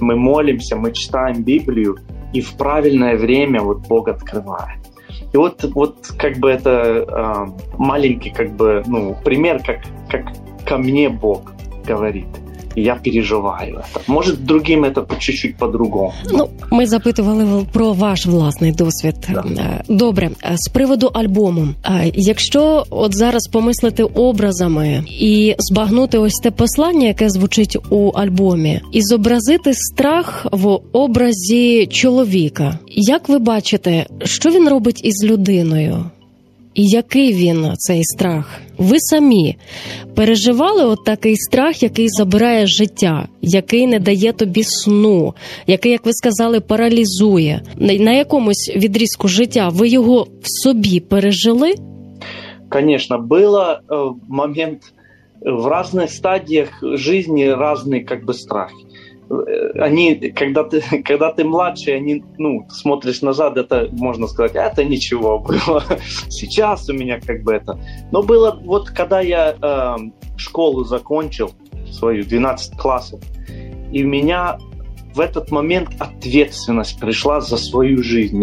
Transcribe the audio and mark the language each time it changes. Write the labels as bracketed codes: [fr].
[ru] Мы молимся, мы читаем Библию. И в правильное время вот Бог открывает. И вот как бы это маленький как бы, ну, пример, как ко мне Бог говорит. И я переживаю это. Может, другим это чуть-чуть по-другому. [uk] Ну, ми запитували про ваш власний досвід. Да. Добре, з приводу альбому. Якщо от зараз помислити образами і збагнути ось те послання, яке звучить у альбомі, і зобразити страх в образі чоловіка, як ви бачите, що він робить із людиною? І який він, цей страх? Ви самі переживали от такий страх, який забирає життя, який не дає тобі сну, який, як ви сказали, паралізує? На якомусь відрізку життя ви його в собі пережили? Звісно, був момент в різних стадіях життя, різні [ru] как бы, [uk] страхи. [ru] Они, когда ты младший, они, ну, смотришь назад, это можно сказать, это ничего было. Сейчас у меня как бы это. Но было вот, когда я школу закончил, свою, 12 классов. И у меня в этот момент ответственность пришла за свою жизнь.